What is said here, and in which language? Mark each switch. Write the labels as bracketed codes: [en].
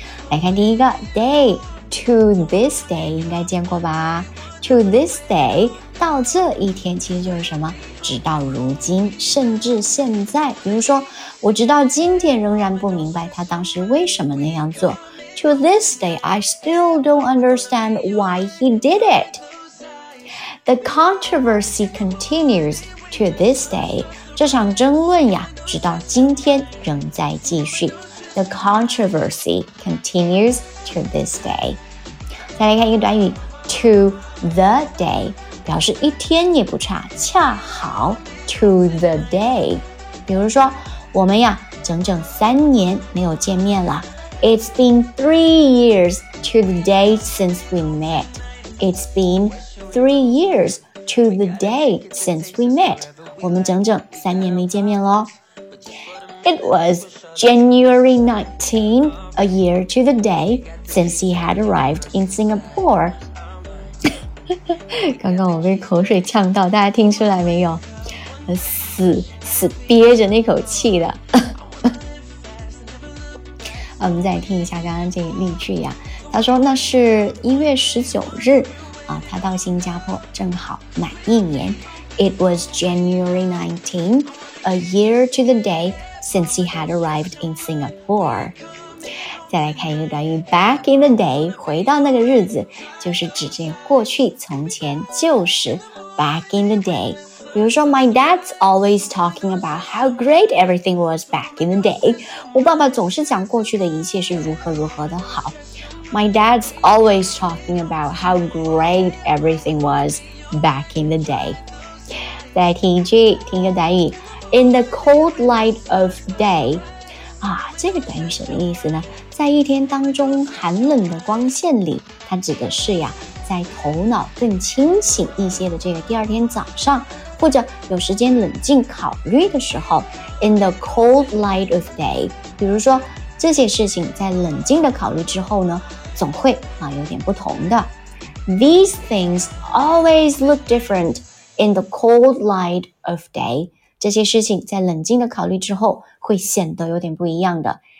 [zh] 来看第一个 day， to this day 应该见过吧。 to this day 到这一天其实就是什么，直到如今，甚至现在。比如说我直到今天仍然不明白他当时为什么那样做。 [en] To this day, I still don't understand why he did it. The controversy continues to this day. [zh] 这场争论呀，直到今天仍在继续。 [en] The controversy continues to this day. [zh] 再来看一个短语 ,to the day, 表示一天也不差，恰好 to the day. 比如说我们呀整整三年没有见面了。 [en] It's been 3 years to the day since we met. It's been 3 years to the day since we met. [zh] 我们整整三年没见面了。 [en] It was January 19, a year to the day since he had arrived in Singapore. [zh] 刚刚我被口水呛到，大家听出来没有？死憋着那口气的。我们再听一下刚刚这个例句呀。他说那是1月19日啊，他到新加坡正好满一年。 [en] It was January 19, a year to the day since he had arrived in Singapore. [zh] 再来看一个短语 back in the day, 回到那个日子，就是指这过去从前旧时 back in the day. 比如说 [en] my dad's always talking about how great everything was back in the day. [zh] 我爸爸总是讲过去的一切是如何如何的好。 [en] My dad's always talking about how great everything was back in the day. [zh] 再听一句，听一个短语 In the cold light of day 啊，这个短语什么意思呢？在一天当中寒冷的光线里，它指的是呀，在头脑更清醒一些的这个第二天早上，或者有时间冷静考虑的时候 In the cold light of day 比如说这些事情在冷静的考虑之后呢，总会啊有点不同的 [en] These things always look differentIn the cold light of day, [zh] 这些事情在冷静的考虑之后会显得有点不一样的。